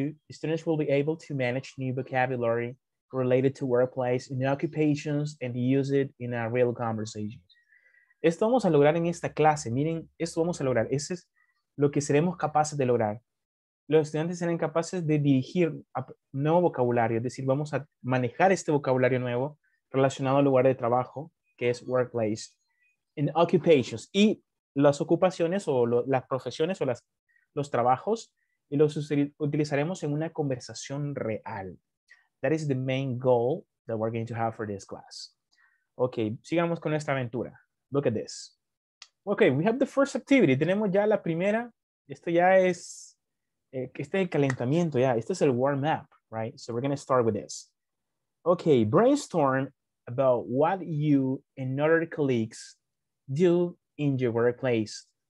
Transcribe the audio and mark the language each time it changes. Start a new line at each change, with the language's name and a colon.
English: Students will be able to manage new vocabulary related to workplace and occupations and use it in a real conversation.
Spanish: Esto vamos a lograr en esta clase. Miren, esto vamos a lograr. Ese es lo que seremos capaces de lograr. Los estudiantes serán capaces de dirigir a nuevo vocabulario, es decir, vamos a manejar este vocabulario nuevo relacionado al lugar de trabajo, que es workplace, en occupations, y las ocupaciones o las profesiones o los trabajos y los utilizaremos en una conversación real.
English: That is the main goal that we're going to have for this class. Okay,
Spanish: sigamos con nuestra aventura.
English: Look at this. Okay, we have the first activity.
Spanish: Tenemos ya la primera. Esto ya es, este es el calentamiento ya. Este es el
English: warm up, right? So we're going to start with this. Okay, brainstorm about what you and other colleagues do in your workplace.